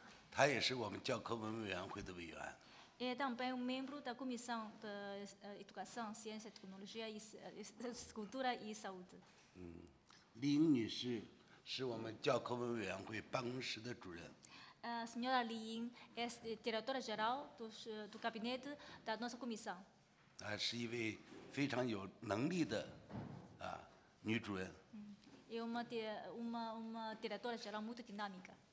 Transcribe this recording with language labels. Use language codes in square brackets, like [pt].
[zh] 他也是我们教科文委员会的委员。 [pt] É também membro da Comissão de Educação, Ciência, Tecnologia e Cultura e Saúde. [zh] 林女士是我们教科文委员会办公室的主任。 [pt] A senhora Li Ying é diretora-geral do gabinete da nossa comissão. Ela é uma muito capacitada, senhora. É uma diretora-geral muito dinâmica.